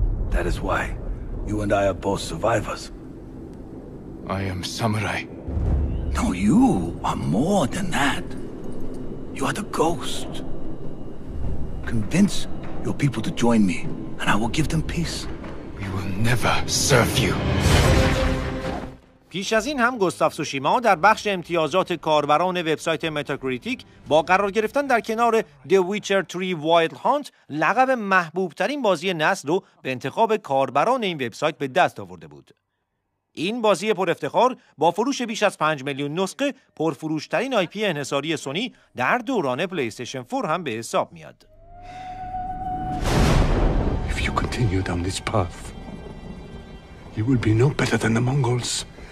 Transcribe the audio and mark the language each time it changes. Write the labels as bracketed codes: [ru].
[en] That is why you and I are both survivors. I am samurai. No, you are more than that. You are the ghost. Convince your people to join me, and I will give them peace. We will never serve you. [fa] پیش از این هم گوستاف سوشیما در بخش امتیازات کاربران وبسایت متاکریتیک با قرار گرفتن در کنار The Witcher 3 Wild Hunt لقب محبوب ترین بازی نسل رو به انتخاب کاربران این وبسایت به دست آورده بود. این بازی پر افتخار با فروش بیش از 5 میلیون نسخه پرفروش ترین آی پی انحصاری سونی در دوران پلی استیشن 4 هم به حساب میاد. [en] If you continue down this path, you will be no better than the Mongols.